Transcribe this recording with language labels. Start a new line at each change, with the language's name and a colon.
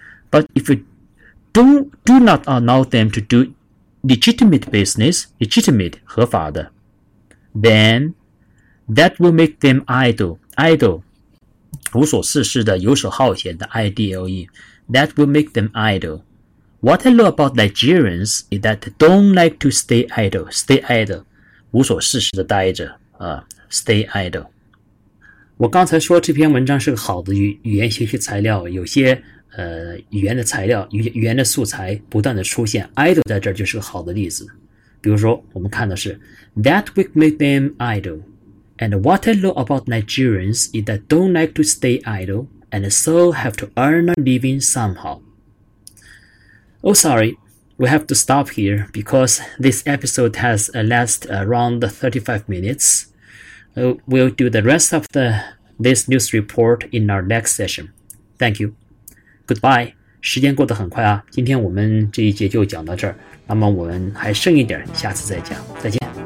English: But if you do not allow them to do legitimate business, legitimate,
Chinese: 合法的
English: then that will make them idle.
Chinese: Idle, 无所事事的，游手好闲的 ,idle.
English: That will make them idle. What I know about Nigerians is that they don't like to stay idle. Stay idle,
Chinese: 无所事事的待着、
English: stay idle.
Chinese: 我刚才说这篇文章是个好的语言学习材料，有些语言的材料语言的素材不断的出现， idle 在这就是个好的例子。比如说我们看的是
English: That will make them idle. And what I know about Nigerians is that don't like to stay idle, and so have to earn a living somehow. Oh, sorry, we have to stop here because this episode has lasted around 35 minutes. We'll do the rest of this news report in our next session. Thank you. Goodbye.
Chinese: 时间过得很快啊，今天我们这一节就讲到这儿，那么我们还剩一点，下次再讲，再见。